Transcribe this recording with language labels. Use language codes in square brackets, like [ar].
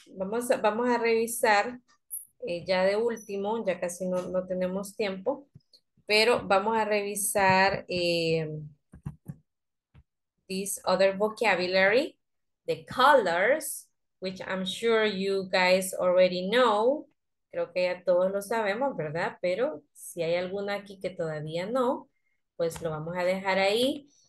[es] Vamos a revisar ya de último, ya casi no tenemos tiempo. Pero vamos a revisar [en] this other vocabulary, the colors, which I'm sure you guys already know. [es] Creo que ya todos lo sabemos, ¿verdad? Pero si hay alguna aquí que todavía no, pues lo vamos a dejar ahí.